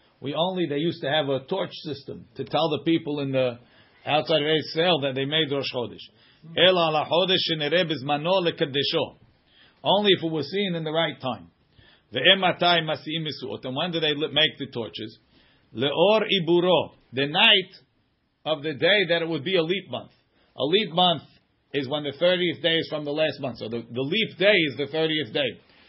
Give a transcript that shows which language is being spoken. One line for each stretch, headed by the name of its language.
English: We only, they used to have a torch system to tell the people in the outside of Israel that they made Rosh Chodesh.
Hebrew: אלא על החודש שנראה בזמנו לקדשו.
English: Only if it was seen in the right time. And when do they make the torches?
Hebrew: Leor iburo,
English: the night of the day that it would be a leap month. A leap month is when the 30th day is from the last month. So the leap day is the 30th day.